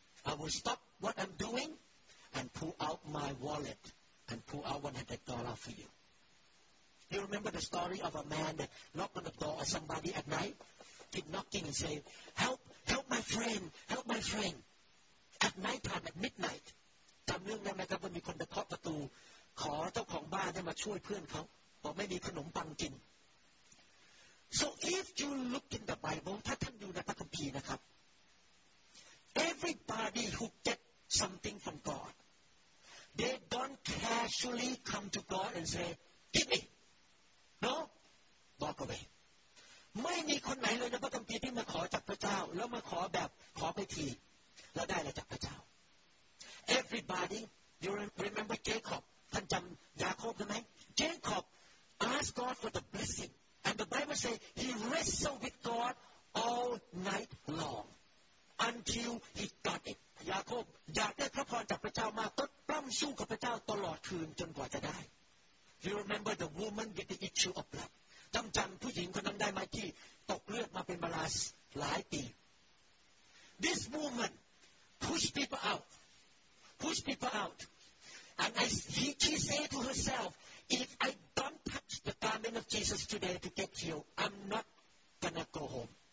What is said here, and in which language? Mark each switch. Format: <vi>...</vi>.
<en>I will stop what I'm doing and pull out my wallet and pull out $100 for you." You remember the story of a man that knocked on the door of somebody at night, keep knocking and say, "Help, help my friend, help my friend." At night time, at midnight,</en> <th>จำเรื่องได้ไหมครับว่ามีคนไปเคาะประตูขอเจ้าของบ้านให้มาช่วยเพื่อนเขาบอกไม่มีขนมปังกิน</th> <en>So if you look in the Bible,</en> <th>ถ้าท่านดูในพระคัมภีร์นะครับ</th> <en>Everybody who get something from God, they don't casually come to God and say, "Give me." No, walk away.</en> <th>ไม่มีคนไหนเลยในพระคัมภีร์ที่มาขอจากพระเจ้าแล้วมาขอแบบขอไปทีแล้วได้อะไรจากพระเจ้า</th> <en>Everybody, you remember Jacob?</en> <th>ท่านจำยาโคบใช่ไหม</th> <en>Jacob asked God for the blessing. And the Bible says he wrestled with God all night long until he got it.</en> <th>Jacob อยากได้พระพรจากพระเจ้ามากก็ปล้ำสู้กับพระเจ้าตลอดคืนจนกว่าจะได้</th> <en>You remember the woman with the issue of blood.</en> <th>จำผู้หญิงคนนั้นได้ไหมที่ตกเลือดมาเป็นเวลาหลายปี</th> <en>This woman pushed people out. And she said to herself, if I don't touch the garment of Jesus today to get healed, I'm not gonna go home.</en>